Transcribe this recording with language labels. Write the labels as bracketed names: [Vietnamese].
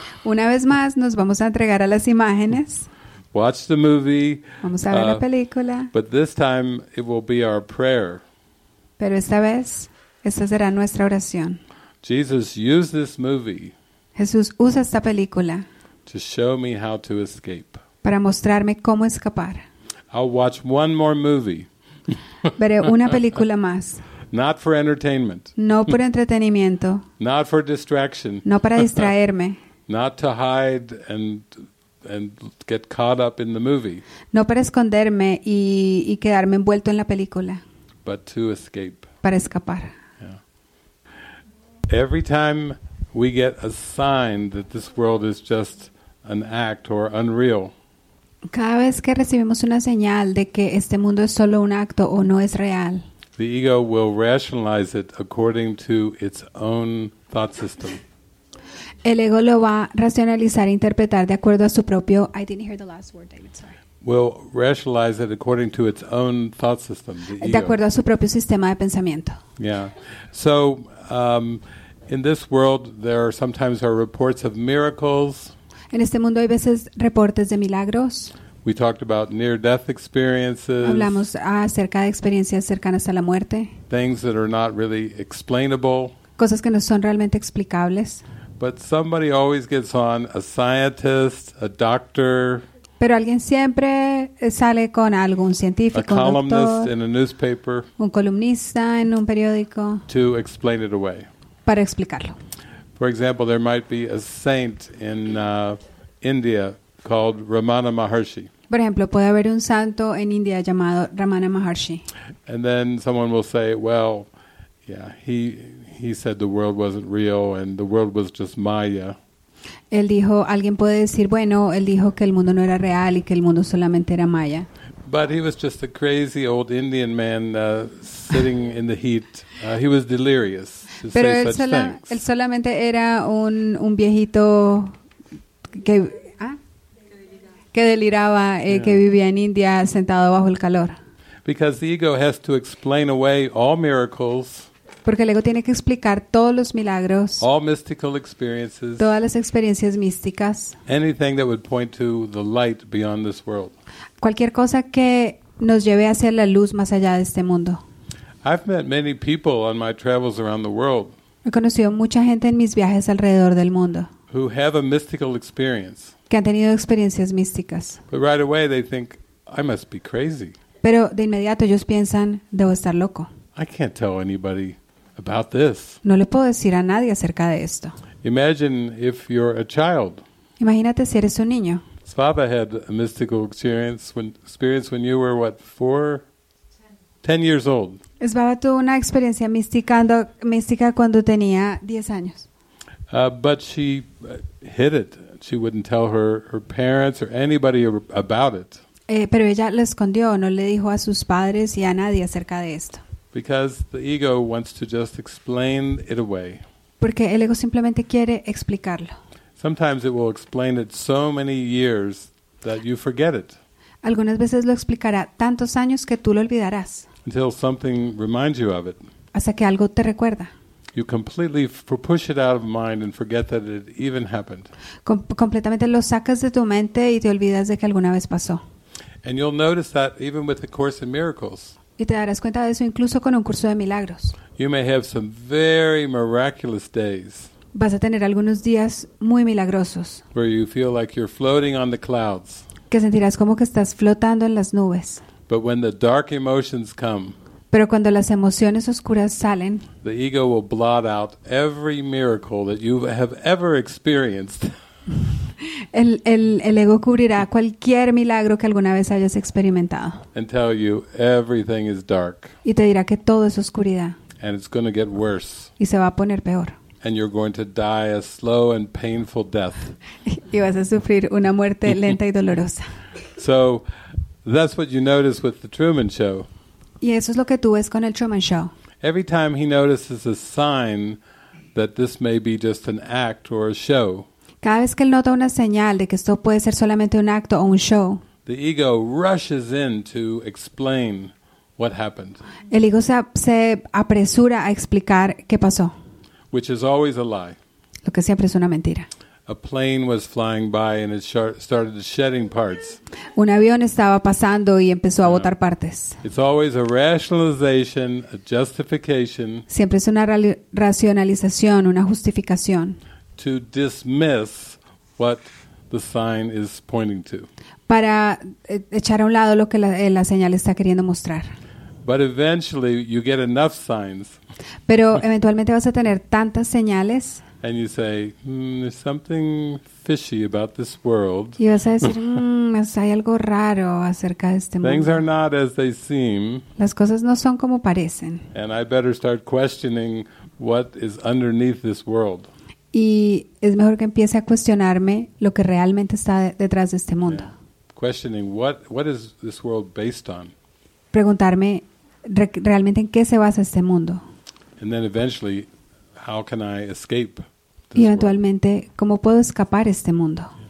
[Spanish] Una vez más, nos vamos a entregar a las imágenes. [English] Watch the movie. [Spanish] Vamos a ver la película. [English] But this time, it will be our prayer. [Spanish] Pero esta vez, esta será nuestra oración. [English] Jesus, use this movie. [Spanish] Jesús usa esta película. [English] To show me how to escape. [Spanish] Para mostrarme cómo escapar. [English] I'll watch one more movie. [Spanish] Veré una película más. [English] Not for entertainment. [Spanish] No por entretenimiento. [English] Not for distraction. [Spanish] No para distraerme. [English] Not to hide and get caught up in the movie. [Spanish] No para esconderme y quedarme envuelto en la película. [English] But to escape. [Spanish] Para escapar. Yeah. [English] Every time we get a sign that this world is just an act or unreal. [Spanish] Cada vez que recibimos una señal de que este mundo es solo un acto o no es real, [English] the ego will rationalize it according to its own thought system. [Spanish] El ego lo va a racionalizar e interpretar de acuerdo a su propio... [English] I didn't hear the last word, David, sorry. Will rationalize it according to its own thought system, the ego. [Spanish] De acuerdo a su propio sistema de pensamiento. Yeah. [English] So, in this world, there are sometimes are reports of miracles. [Spanish] En este mundo hay veces reportes de milagros. [English] We talked about near-death experiences. [Spanish] Hablamos acerca de experiencias cercanas a la muerte. [English] Things that are not really explainable. [Spanish] Cosas que no son realmente explicables. [English] But somebody always gets on a scientist, a doctor. [Spanish] Pero alguien siempre sale con algún científico, [English] a columnist, [Spanish] un doctor, [English] in a newspaper, [Spanish] un columnista en un periódico, [English] to explain it away. [Spanish] Para explicarlo. [English] For example, there might be a saint in India called Ramana Maharshi. [Spanish] Por ejemplo, puede haber un santo en India llamado Ramana Maharshi. [English] And then someone will say, "Well, yeah, he said the world wasn't real and the world was just Maya." [Spanish] Él dijo, alguien puede decir, bueno, él dijo que el mundo no era real y que el mundo solamente era Maya. [English] But he was just a crazy old Indian man sitting in the heat. He was delirious. [Spanish] Pero él solamente era un viejito que deliraba, que vivía en India sentado bajo el calor. [English] Because the ego has to explain away all miracles. [Spanish] Porque el ego tiene que explicar todos los milagros. [English] All mystical experiences. [Spanish] Todas las experiencias místicas. [English] Anything that would point to the light beyond this world. [Spanish] Cualquier cosa que nos lleve hacia la luz más allá de este mundo. [English] I've met many people on my travels around the world. [Spanish] He conocido mucha gente en mis viajes alrededor del mundo. [English] Who have a mystical experience. [Spanish] Que han tenido experiencias místicas. [English] But right away they think, "I must be crazy." [Spanish] Pero de inmediato ellos piensan, "Debo estar loco." [English] I can't tell anybody about this. [Spanish] No le puedo decir a nadie acerca de esto. [English] Imagine if you're a child. [Spanish] Imagínate si eres un niño. [English] Svapa had a mystical experience when you were what, 4? 10 years old. [Spanish] Svapa tuvo una experiencia mística cuando tenía 10 años. [English] But she hid it. She wouldn't tell her parents or anybody about it. [Spanish] Pero ella lo escondió, no le dijo a sus padres y a nadie acerca de esto. [English] Because the ego wants to just explain it away. [Spanish] Porque el ego simplemente quiere explicarlo. [English] Sometimes it will explain it so many years that you forget it. [Spanish] Algunas veces lo explicará tantos años que tú lo olvidarás. [English] Until something reminds you of it. [Spanish] Hasta que algo te recuerda. [English] You completely push it out of mind and forget that it even happened. [Spanish] Completamente lo sacas de tu mente y te olvidas de que alguna vez pasó. [English] And you'll notice that even with the Course in Miracles. [Spanish] Y te darás cuenta de eso incluso con un curso de milagros. [English] You may have some very miraculous days. [Spanish] Vas a tener algunos días muy milagrosos. [English] Where you feel like you're floating on the clouds. [Spanish] Que sentirás como que estás flotando en las nubes. [English] But when the dark emotions come. [Spanish] Pero cuando las emociones oscuras salen. [English] The ego will blot out every miracle that you have ever experienced. [Spanish] El ego cubrirá cualquier milagro que alguna vez hayas experimentado. [English] And tell you everything is dark. [Spanish] Y te dirá que todo es oscuridad. [English] And it's going to get worse. [Spanish] Y se va a poner peor. [English] And you're going to die a slow and painful death. [Spanish] Y vas a sufrir una muerte lenta y dolorosa. [English] So that's what you notice with the Truman Show. [Spanish] Y eso es lo que tú ves con el Truman Show. [English] Every time he notices a sign that this may be just an act or a show. [Spanish] Cada vez que él nota una señal de que esto puede ser solamente un acto o un show. [English] The ego rushes in to explain what happened. [Spanish] El ego se apresura a explicar qué pasó. [English] Which is always a lie. [Spanish] Lo que siempre es una mentira. [English] A plane was flying by and it started shedding parts. [Spanish] Un avión estaba pasando y empezó a botar partes. [English] It's always a rationalization, a justification. [Spanish] Siempre es una racionalización, una justificación. [English] To dismiss what the sign is pointing to. [Spanish] Para echar a un lado lo que la señal está queriendo mostrar. [English] But eventually you get enough signs. [Spanish] Pero eventualmente vas a tener tantas señales. [English] And you say, there's something fishy about this world. [Spanish] Y vas a decir, hay algo raro acerca de este mundo. [English] Things are not as they seem. [Spanish] Las cosas no son como parecen. [English] And I better start questioning what is underneath this world. [Spanish] Y es mejor que empiece a cuestionarme lo que realmente está detrás de este mundo. [English] Yeah. Questioning what is this world based on? [Spanish] Preguntarme realmente en qué se basa este mundo. [English] And then eventually, how can I escape [Spanish] this y eventualmente, ¿cómo puedo escapar este mundo?